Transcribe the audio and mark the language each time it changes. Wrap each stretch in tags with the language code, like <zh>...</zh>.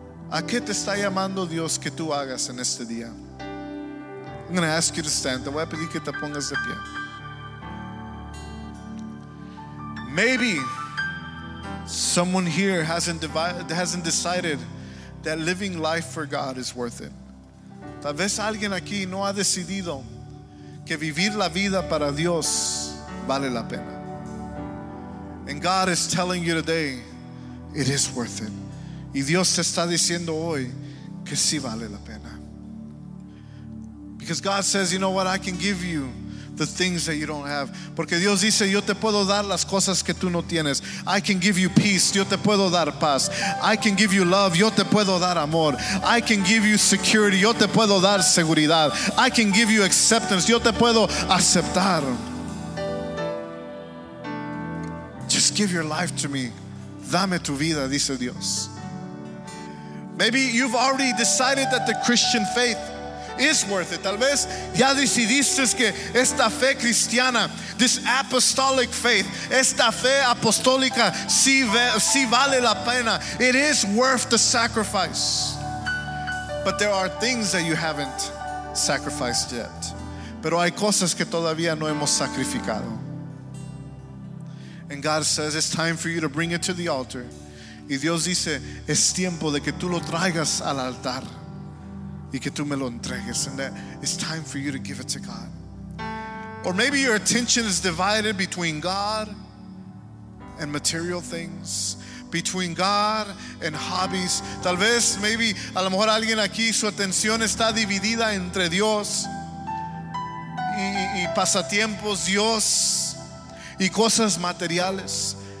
<es>¿A qué te está llamando Dios que tú hagas en este día?</es> <en>I'm going to ask you to stand.</en> <es>Te voy a pedir que te pongas de pie.</es> <en>Maybe someone here hasn't decided that living life for God is worth it.</en> <es>Tal vez alguien aquí no ha decidido que vivir la vida para Dios vale la pena.</es> <en>And God is telling you today, it is worth it.</en> <es>Y Dios te está diciendo hoy que sí vale la pena.</es> <en>Because God says, you know what, I can give you the things that you don't have.</en> <es>Porque Dios dice, yo te puedo dar las cosas que tú no tienes.</es> <en>I can give you peace,</en> <es>yo te puedo dar paz.</es> <en>I can give you love,</en> <es>yo te puedo dar amor.</es> <en>I can give you security,</en> <es>yo te puedo dar seguridad.</es> <en>I can give you acceptance,</en> <es>yo te puedo aceptar.</es> <en>Give your life to me.</en> <es>Dame tu vida, dice Dios.</es> <en>Maybe you've already decided that the Christian faith is worth it.</en> <es>Tal vez ya decidiste que esta fe cristiana,</es> <en>this apostolic faith,</en> <es>esta fe apostólica, si vale la pena.</es> <en>It is worth the sacrifice. But there are things that you haven't sacrificed yet.</en> <es>Pero hay cosas que todavía no hemos sacrificado.</es> <en>And God says, it's time for you to bring it to the altar.</en> <es>Y Dios dice, es tiempo de que tú lo traigas al altar y que tú me lo entregues.</es> <en>And that it's time for you to give it to God. Or maybe your attention is divided between God and material things, between God and hobbies.</en> <es>Tal vez, maybe, a lo mejor alguien aquí, su atención está dividida entre Dios y pasatiempos, Dios y cosas materiales.</es>